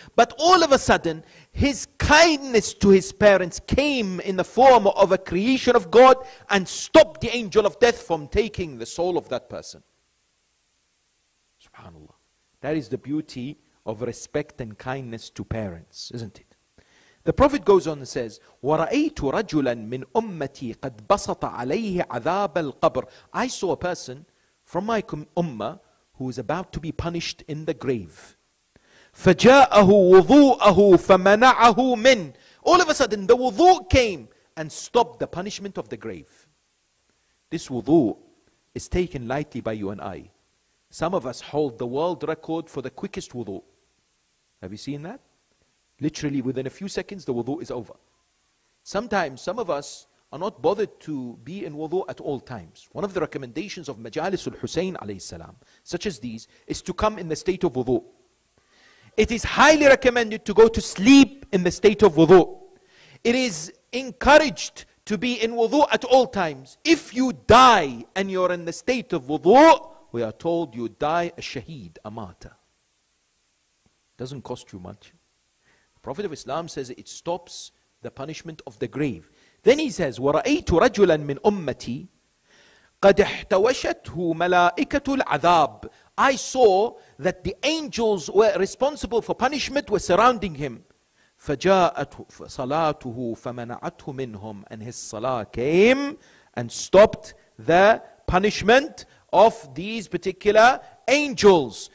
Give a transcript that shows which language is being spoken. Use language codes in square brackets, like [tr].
[en] But all of a sudden, his kindness to his parents came in the form of a creation of God and stopped the angel of death from taking the soul of that person. Subhanallah. That is the beauty of respect and kindness to parents, isn't it? The Prophet goes on and says, [ar] وَرَأَيْتُ رَجُلًا مِنْ أُمَّتِي قَدْ بَسَطَ عَلَيْهِ عَذَابَ الْقَبْرِ. [en] I saw a person from my ummah who is about to be punished in the grave. [ar] فَجَاءَهُ وُضُوءَهُ فَمَنَعَهُ مِنْ. [en] All of a sudden the wudu came and stopped the punishment of the grave. This wudu is taken lightly by you and I. Some of us hold the world record for the quickest wudu. Have you seen that? Literally within a few seconds the wudu is over. Sometimes some of us are not bothered to be in wudu at all times. One of the recommendations of majlis al-Husayn alayhi salam, such as these, is to come in the state of wudu. It is highly recommended to go to sleep in the state of wudu. It is encouraged to be in wudu at all times. If you die and you're in the state of wudu, we are told you die a shaheed, a martyr. Doesn't cost you much. The Prophet of Islam says it stops the punishment of the grave. Then he says, [ar] وَرَأَيْتُ رَجُلًا مِنْ أُمَّتِي قَدْ احْتَوَشَتْهُ مَلَائِكَةُ الْعَذَابِ. [en] I saw that the angels were responsible for punishment were surrounding him. [ar] فَجَاءَتْ صَلَاتُهُ فَمَنَعَتْهُ مِنْهُمْ. [en] And his salah came and stopped the punishment of these particular angels.